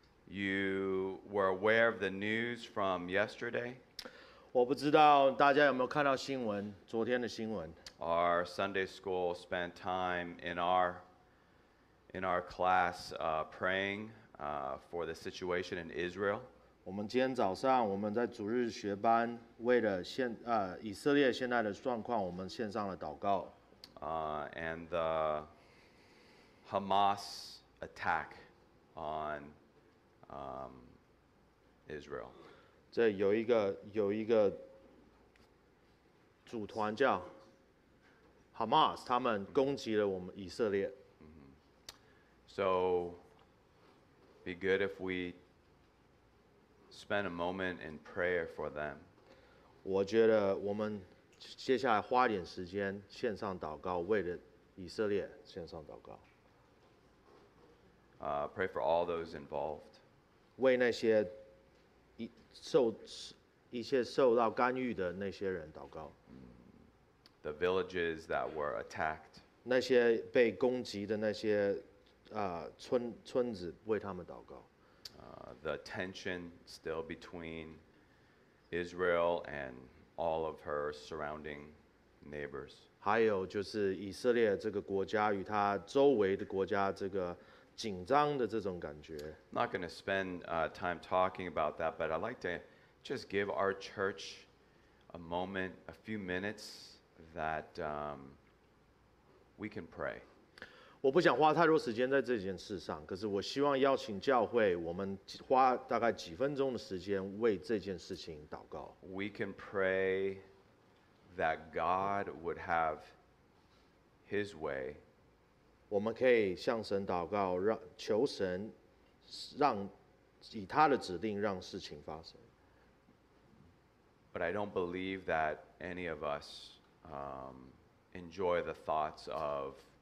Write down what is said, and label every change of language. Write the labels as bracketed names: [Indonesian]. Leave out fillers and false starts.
[English] You were aware of the news from yesterday? [Chinese] 我不知道大家有没有看到新闻，昨天的新闻。 [English] Our Sunday school spent time in our class praying for the situation in Israel. [Chinese] 我们今天早上我们在主日学班为了以色列现在的状况，我们献上了祷告。 [English] And the Hamas attack on Israel. [Chinese] 这有一个组团叫 Hamas， 他们攻击了我们以色列。 [English] So be good if we spend a moment in prayer for them. [Chinese] 我觉得我们接下来花点时间献上祷告，为了以色列献上祷告。 [English] Pray for all those involved. [Chinese] 为那些受到干预的那些人祷告。 [English] The villages that were attacked. [Chinese] 那些被攻击的那些村子为他们祷告。 [English] The tension still between Israel and all of her surrounding neighbors. [Chinese] 还有就是以色列这个国家与他周围的国家这个紧张的这种感觉。 [English] Not going to spend time talking about that, but I'd like to just give our church a moment, a few minutes that we can pray. [Chinese] 我不想花太多时间在这件事上，可是我希望邀请教会，我们花大概几分钟的时间为这件事情祷告。 [English] We can pray that God would have His way. [Chinese] 我们可以向神祷告，求神让以他的指令让事情发生。 [English] But I don't believe that any of us enjoy the thoughts of.